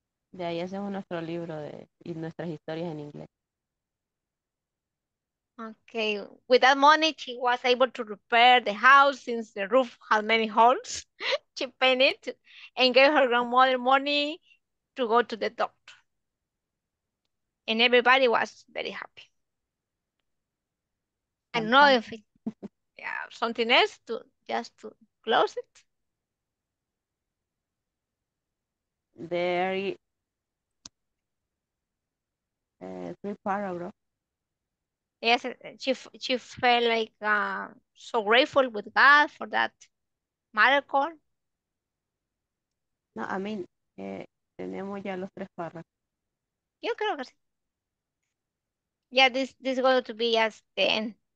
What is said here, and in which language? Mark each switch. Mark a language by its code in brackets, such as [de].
[es] De ahí hacemos nuestro libro de, y nuestras historias en inglés. [en] Okay. With that money, she was able to repair the house since the roof had many holes. She painted and gave her grandmother money to go to the doctor. And everybody was very happy. I don't know if it, yeah, something else to just to close it. there is three paragraphs. Yes, she felt like so grateful with God for that miracle. [es] No, [en] I mean, [es] tenemos ya los tres párrafos. Yo creo que sí. [en] Yeah, this is going to be as the end.